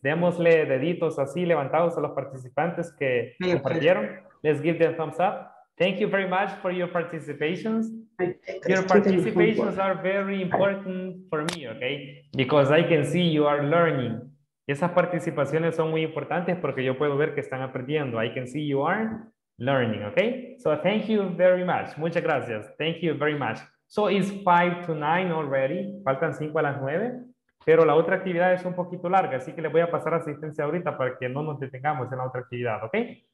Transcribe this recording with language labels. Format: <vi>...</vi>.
<es>Démosle deditos así levantados a los participantes que compartieron.</es> <en>Let's give them thumbs up. Thank you very much for your participations. Your participations are very important for me, okay? Because I can see you are learning.</en> <es>Esas participaciones son muy importantes porque yo puedo ver que están aprendiendo.</es> <en>I can see you are learning, okay? So thank you very much.</en> <es>Muchas gracias.</es> <en>Thank you very much. So it's 8:55 already.</en> <es>Faltan 5 a las 9. Pero la otra actividad es un poquito larga, así que le voy a pasar asistencia ahorita para que no nos detengamos en la otra actividad, okay?</es>